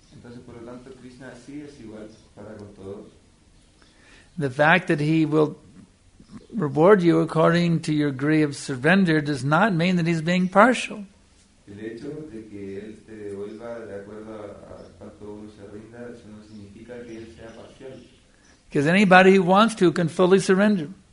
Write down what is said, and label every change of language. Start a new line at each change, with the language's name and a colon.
Spanish: Entonces, por lo tanto, Krishna sí es igual para con todos.
English: The fact that he will reward you according to your degree of surrender does not mean that he's being partial.
Spanish: El hecho de que él te devuelva de acuerdo a cuanto uno se rinda, eso no significa que él sea parcial.
English: Because anybody who wants to can fully surrender.